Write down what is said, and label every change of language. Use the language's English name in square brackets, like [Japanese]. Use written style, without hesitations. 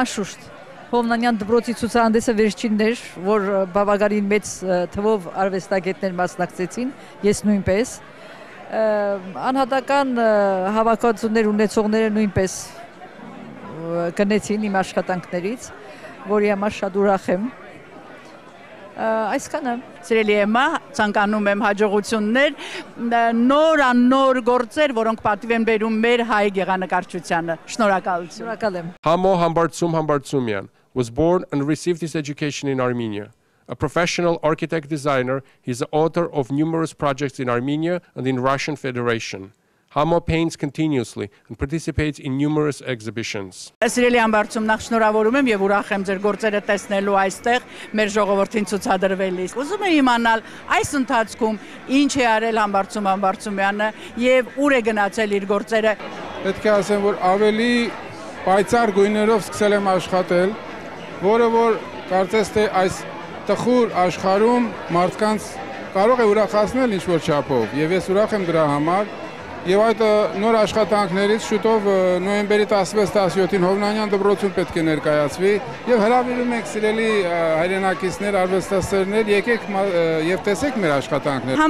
[Armenian] Անշուշտ Հովնանյան դպրոցի ցուցահանդեսը վերջինն էր, որ բավականին մեծ թվով արվեստագետներ մասնակցեցին, ես նույնպես։ Անհատական հավաքածուներ ունեցողները նույնպես գնացին իմ աշխատանքներից, որի համար շատ ուրախ եմ։ Այսքանը։ Սիրելի Էմմա, ցանկանում եմ հաջողություններ, նոր աննոր գործեր, որոնք պատիվ են բերում մեր հայ գեղանկարչությանը։ Շնորհակալություն։ Շնորհակալ եմ։ [English] Համո Համբարձում Համբարձումյան was born and received his education in Armenia. A professional architect designer, he's the author of numerous projects in Armenia and in Russian Federation. Համո paints continuously and participates in numerous exhibitions. [Armenian] Սիրելի ամբարձում, նախ շնորհավորում եմ եւ ուրախ եմ ձեր գործերը տեսնելու այստեղ մեր ժողովրդին ցուցադրվելիս։ Ուզում եմ իմանալ այս ընթացքում ինչ է արել ամբարձում Համբարձումյանը եւ ուր է գնացել իր գործերը։ Պետք է ասեմ, որ ավելի պայծառ գույներով սկսել եմ աշխատել, որը որ կարծես թե այս տխուր աշխարհում մարդկանց կարող է ուրախացնել ինչ որ չափով եւ ես ուրախ եմ դրա համար։ Եվ այդ նոր աշխատանքներից շուտով նոյեմբերի 16-17-ին Հովնանյան դպրոցում պետք է ներկայացվի եւ հրավիրում եք սիրելի հայրենակիցներ, արվեստասերներ, եկեք եւ տեսեք մեր աշխատանքները։